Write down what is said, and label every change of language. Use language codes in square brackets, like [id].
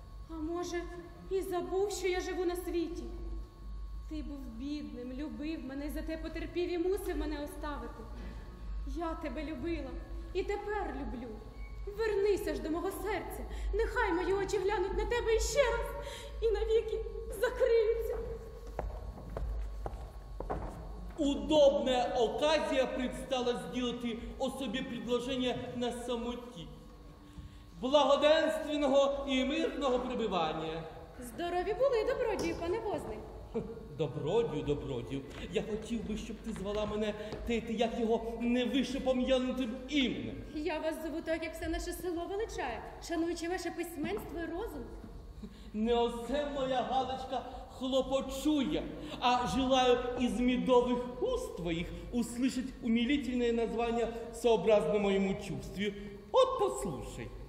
[uk] А може, і забув, що я живу на світі? Ти був бідним, любив мене, зате потерпів і мусив мене оставити. Я тебе любила і тепер люблю. Вернися ж до мого серця. Нехай мої очі глянуть на тебе іще раз і навіки закриються. [ru] Удобная оказия предстала сделать особе предложение на самоті. Благоденственного и мирного пребывания. [uk] Здорові були, добродію, пане Возник. Добродію, добродію. Я хотів би, щоб ти звала мене тети, як його не вище пом'янутим іменем. Я вас зову так, як все наше село величає, шануючи ваше письменство і розум. Не оце моя галочка хлопочує, а желаю із медових уст твоїх услышати умілітельне названня сообразно моєму чувстві. От послушай.